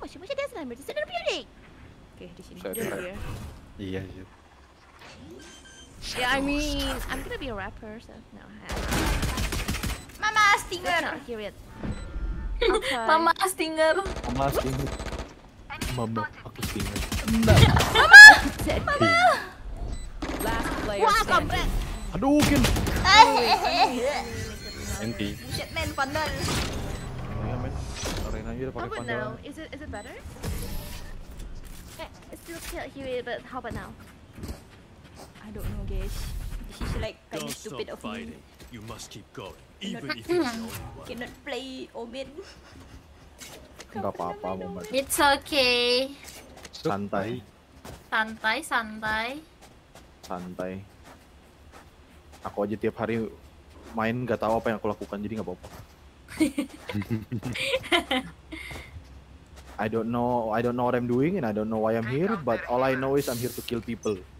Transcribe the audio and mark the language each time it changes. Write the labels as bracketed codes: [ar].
[id] Masih ada sih, masih ada beauty. Oke, di sini. Iya. [en] Yeah, I mean, I'm gonna be a rapper, so no. Mama Stinger. Not hear it. Okay. Mama Stinger. Mama Stinger. Mama, aku Stinger. Mama. Mama. Last player. [id] Wah, kampret. Aduh, kin. Enti. [en] Shit man, Vandal. [id] Iya men, Arena aja udah pake Vandal. [en] How about now? Is it better? I still can't hear it, but how about now? I don't know guys. This is like kind of stupid of me. You must keep going, even if it's the only one. Cannot play Omen. [id] Gak apa-apa, Omen. [en] It's okay. [id] Santai. Santai. Aku aja tiap hari main gak tahu apa yang aku lakukan, jadi gak apa-apa. [en] I don't know what I'm doing and I don't know why I'm here, but all I know is I'm here to kill people.